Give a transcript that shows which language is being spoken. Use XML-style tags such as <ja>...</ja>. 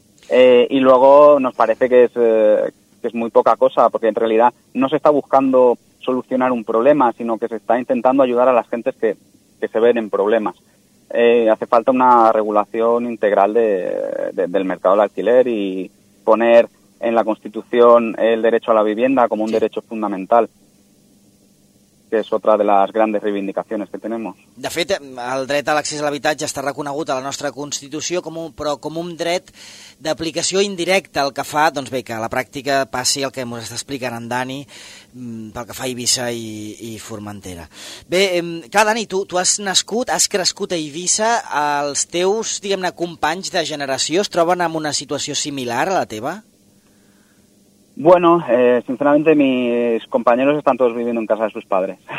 <es>Y luego nos parece que es muy poca cosa, porque en realidad no se está buscando solucionar un problema, sino que se está intentando ayudar a las gentes que se ven en problemas. Hace falta una regulación integral del mercado del alquiler y poner en la Constitución el derecho a la vivienda como un derecho fundamental,</es> <ca>que és otra de les grans reivindicacions que tenim. De fet, el dret a l'accés a l'habitatge està reconegut a la nostra Constitució com un dret d'aplicació indirecta, el que fa, doncs bé, que a la pràctica passi el que ens està explicant en Dani pel que fa a Eivissa i Formentera. Bé, clar, Dani, tu has nascut, has crescut a Eivissa, els teus, diguem-ne, companys de generació es troben en una situació similar a la teva?</ca> <es>Bueno, sinceramente mis compañeros están todos viviendo en casa de sus padres.</es>